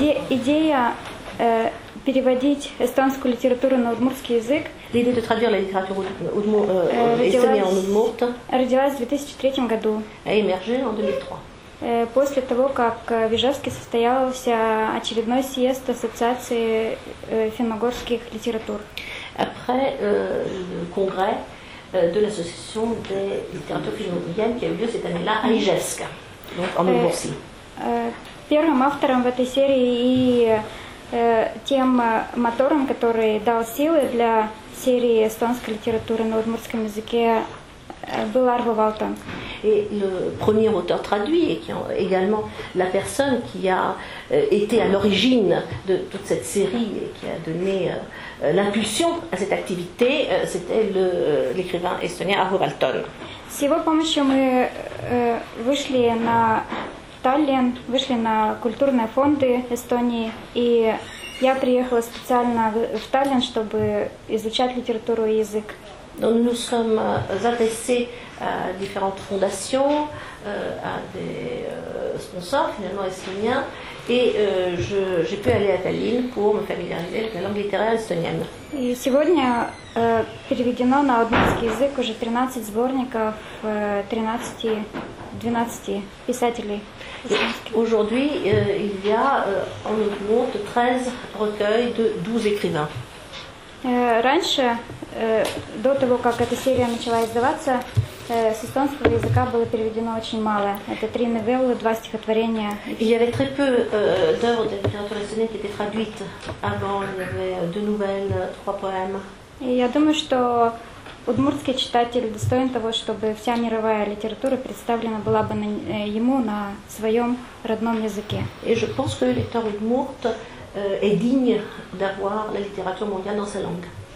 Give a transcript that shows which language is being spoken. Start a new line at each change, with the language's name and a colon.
Russian: Идея переводить эстонскую литературу на удмуртский язык.
French: L'idée de traduire la littérature estonienne en Udmurt
Russian: родилась в 2003 году.
French: A émergé en 2003.
Russian: После того, как в Ижевске состоялся очередной съезд Ассоциации финно-угорских литератур.
French: Après le congrès de l'Association des littératures finno-ugriennes qui a eu lieu cette année-là à Ижевск. Donc en Удмуртии.
Russian: Первым автором в этой серии и тем мотором, который дал силы для серии эстонской литературы на удмуртском языке, был Арво Валтон.
French: Et le premier auteur traduit, et qui est également la personne qui a été à l'origine de toute cette série et qui a donné l'impulsion à cette activité, c'était l'écrivain estonien Arvo Valtonen.
Russian: С его помощью мы вышли на Таллин, вышли на культурные фонды Эстонии, и я приехала специально в Таллин, чтобы изучать литературу и язык.
French: Donc nous nous sommes adressés à différentes fondations, à des sponsors finalement estoniens, et j'ai pu aller à Tallinn pour me familiariser avec la langue littéraire estonienne. Et
Russian: сегодня переведено на удмуртский язык уже 13 сборников 12 писателей.
French: Aujourd'hui, il y a en Udmurt 13 recueils de 12 écrivains.
Russian: Раньше, до того, как эта серия начала издаваться, с эстонского языка было переведено очень мало. Это 3 новеллы, 2 стихотворения.
French: Il y avait très peu d'œuvres de littérature estonienne qui étaient traduites avant. Il y avait 2 nouvelles, 3 poèmes.
Russian: И я думаю, что удмуртский читатель достоин того, чтобы вся мировая литература представлена была бы на, ему на своем родном языке.
French: Et je pense que les lecteurs удмуртes est digne d'avoir la littérature mondiale dans sa langue.